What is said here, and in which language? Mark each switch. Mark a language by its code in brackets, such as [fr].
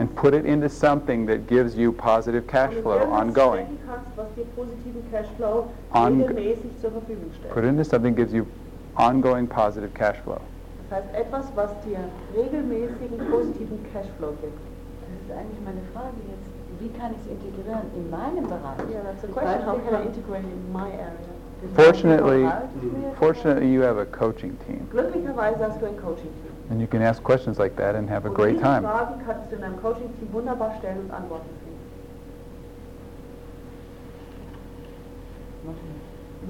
[en] and put it into something that gives you positive cash flow ongoing. [de] Kannst, was dir positiven cash flow regelmäßig zur Verfügung stellt. [en] Put it into something that gives you ongoing positive cash flow. [de] Das heißt etwas, was dir regelmäßigen positiven cash flow gibt. Das ist eigentlich meine Frage jetzt. Wie kann ich es integrieren in meinem Bereich? [en] Yeah, that's a question. How can I integrate it in my area? Fortunately, you have a coaching team. [de] Glücklicherweise hast du ein Coaching Team. [en] And you can ask questions like that and have a great time. [de] Und diese Fragen kannst du in einem Coaching Team wunderbar stellen und Antworten finden.